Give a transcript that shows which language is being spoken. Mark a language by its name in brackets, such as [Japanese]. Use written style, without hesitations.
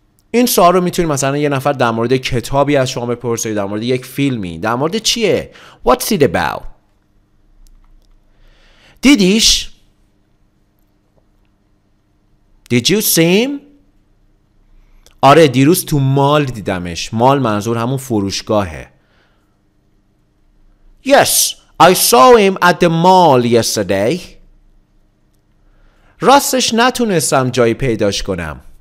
[Persian] این سوال رو میتونید مثلا یه نفر در مورد کتابی از شما بپرسید، در مورد یک فیلمی، در مورد چیه؟ What's it about? [English] دیدیش؟ Did you see him? [Persian] آره دیروز تو مال دیدمش. مال منظور همون فروشگاهه. [English] Yes, I saw him at the mall yesterday. [Persian] راستش نتونستم جایی پیداش کنم.